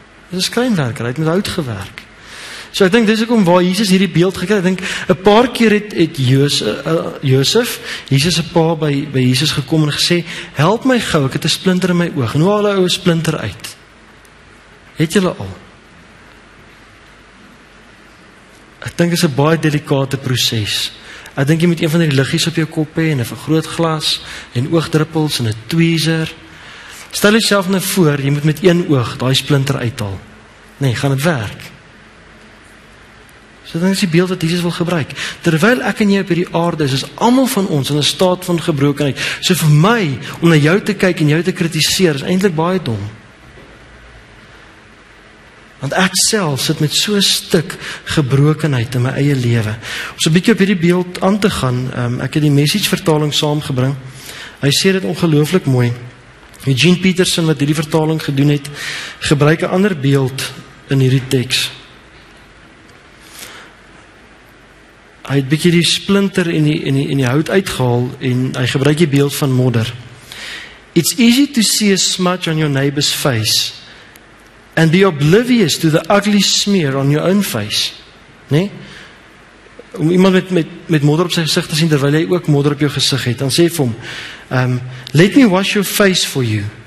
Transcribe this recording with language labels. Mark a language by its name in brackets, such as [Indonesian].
[Afrikaans] Dit is skrynwerker, hy het met hout gewerk. So ek dink dis ek om waar Jesus hierdie beeld gekry het. Ek dink 'n paar keer het Josef Jesus se pa by Jesus gekom en gesê: "Help my gou, ek het 'n splinter in my oog." En hoe haal 'n ou 'n splinter uit? Het julle al? Ek dink dis 'n baie delikate proses. Ek dink jy moet een van die liggies op jou kop hê en 'n vergrootglas en oogdruppels en 'n tweezer. Stel jouself nou voor, jy moet met een oog daai splinter uithaal. Nee, gaan dit werk? So dan is die beeld wat Jesus wil gebruik. Terwyl ek en jy op hierdie aarde is, is almal van ons in 'n staat van gebrokenheid. So vir my, om na jou te kyk en jou te kritiseer, is eintlik baie dom. Want ek self sit met so 'n stuk gebrokenheid in my eie lewe. Om so 'n bietjie op hierdie beeld aan te gaan, ek het die message vertaling saamgebring. Hy sê dit ongelooflik mooi. Eugene Peterson wat hierdie vertaling gedoen het, gebruik 'n ander beeld in hierdie teks. Hy het bietjie die splinter en die hout uitgehaal en hy gebruik die beeld van modder. [English] It's easy to see a smudge on your neighbor's face and be oblivious to the ugly smear on your own face. [Afrikaans] Nee? Om iemand met modder op sy gesig te sien terwyl hy ook modder op jou gesig het, dan sê vir hom, [English] let me wash your face for you.